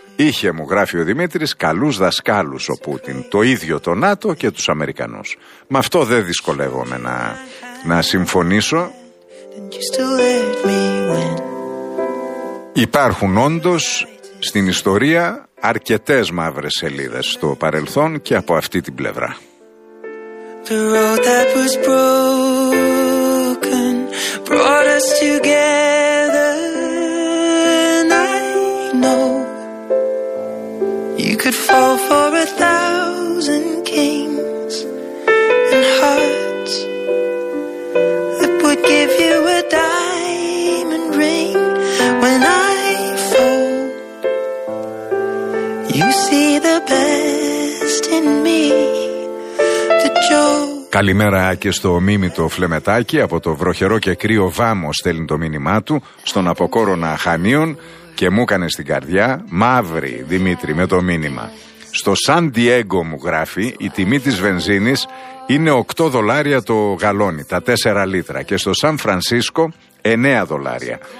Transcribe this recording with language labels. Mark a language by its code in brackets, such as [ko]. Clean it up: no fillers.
[el] Είχε, μου γράφει ο Δημήτρης, καλούς δασκάλους ο Πούτιν, το ίδιο το ΝΑΤΟ και τους Αμερικανούς. Με αυτό δεν δυσκολεύομαι να συμφωνήσω. Υπάρχουν όντως στην ιστορία αρκετές μαύρες σελίδες στο παρελθόν και από αυτή την πλευρά. [en] The road that was broken brought us together. Could fall for a thousand kings and hearts that would give you a diamond ring. When I fall, you see the best in me. The joy. [el] Καλημέρα και στο μίμητο Φλεμετάκι. Από το βροχερό και κρύο Βάμο στέλνει το μήνυμά του στον Αποκόρονα Αχανίων και μου έκανε στην καρδιά μαύρη, Δημήτρη, με το μήνυμα. Στο Σαν Ντιέγκο, μου γράφει, η τιμή της βενζίνης είναι 8 δολάρια το γαλόνι, τα 4 λίτρα, και στο Σαν Φρανσίσκο 9 δολάρια.